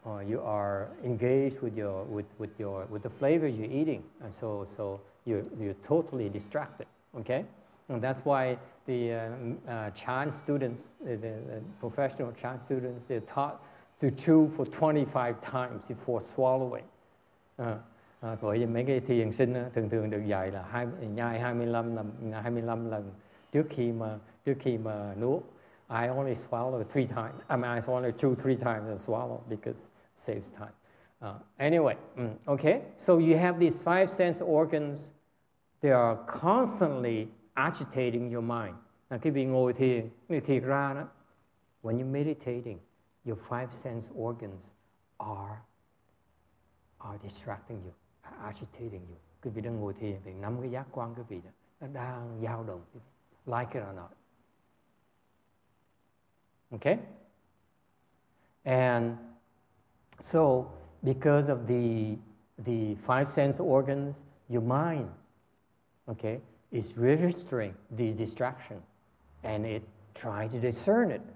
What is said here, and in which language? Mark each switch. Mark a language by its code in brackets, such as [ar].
[en] You are engaged with the flavor you're eating, and so you're totally distracted, okay? And that's why the Chan students, the professional Chan students, they're taught to chew for 25 times before swallowing. [vi] Bởi vì mấy cái thiền sinh thường thường được dạy là nhai 25 lần trước khi mà nuốt. [en] I only swallow three times. I mean, I only chew three times and swallow because it saves time. Anyway, okay. So you have these five sense organs. They are constantly agitating your mind. [vi] Now, khi ngồi thiền ra đó, [en] when you're meditating, your five sense organs are distracting you, are agitating you. [vi] Khi vị đang ngồi thiền thì năm cái giác quan của vị đó nó đang dao động, [en] like it or not. Okay? And so because of the five sense organs, your mind, okay, is registering the distraction and it tries to discern it.